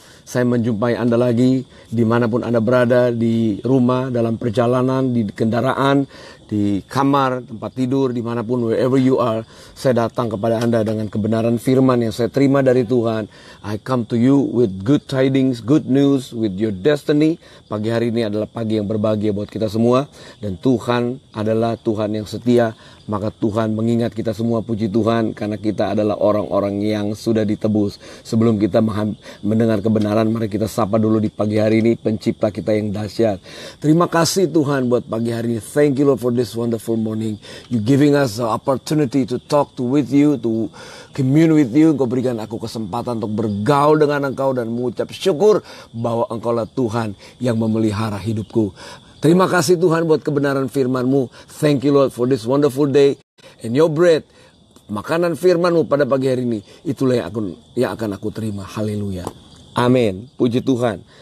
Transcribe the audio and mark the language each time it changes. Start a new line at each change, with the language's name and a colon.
Indonesian: Saya menjumpai Anda lagi dimanapun Anda berada, di rumah, dalam perjalanan, di kendaraan, di kamar, tempat tidur, dimanapun,
English: wherever you are.
Indonesian: Saya datang kepada Anda dengan kebenaran firman yang saya terima dari Tuhan.
English: I come to you with good tidings, good news, with your destiny.
Indonesian: Pagi hari ini adalah pagi yang berbahagia buat kita semua. Dan Tuhan adalah Tuhan yang setia. Maka Tuhan mengingat kita semua, puji Tuhan, karena kita adalah orang-orang yang sudah ditebus. Sebelum kita mendengar kebenaran, mari kita sapa dulu di pagi hari ini pencipta kita yang dahsyat. Terima kasih Tuhan buat pagi hari ini.
English: Thank you Lord for this wonderful morning. You giving us the opportunity to talk with you, to commune with you.
Indonesian: Engkau berikan aku kesempatan untuk bergaul dengan Engkau dan mengucap syukur bahwa Engkau lah Tuhan yang memelihara hidupku. Terima kasih Tuhan buat kebenaran firman-Mu.
English: Thank you Lord for this wonderful day. And your bread,
Indonesian: makanan firman-Mu pada pagi hari ini, itulah yang akan aku terima. Haleluya. Amin. Puji Tuhan.